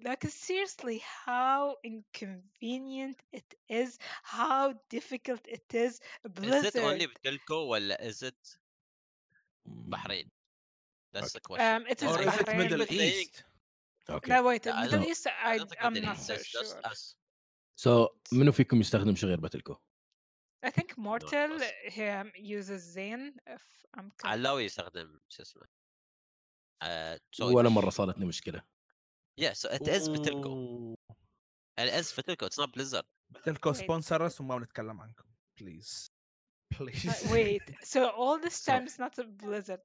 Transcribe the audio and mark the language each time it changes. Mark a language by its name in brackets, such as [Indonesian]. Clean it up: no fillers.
[English] Like, seriously, how inconvenient it is, how difficult it is. Blizzard. Is it only Telco or is it Bahrain? That's the question. It is or Bahrain. Is it Middle East? Okay. No, wait, Middle East, I'm not so sure. Just us. [Arabic] So, منو فيكم يستخدم شغير باتلكو؟ [English] I think Mortal uses Zen. If I'm [Arabic] correct. علاوي يستخدم شو اسمه؟ ولا مرة صارتني مشكلة. [English] Yeah, so it is Batelco. It is Batelco. It's not Blizzard. [Arabic] باتلكو [English] sponsor us [Arabic] وما بنتكلم عنكم. [English] Please. Wait. So all this time it's not a Blizzard.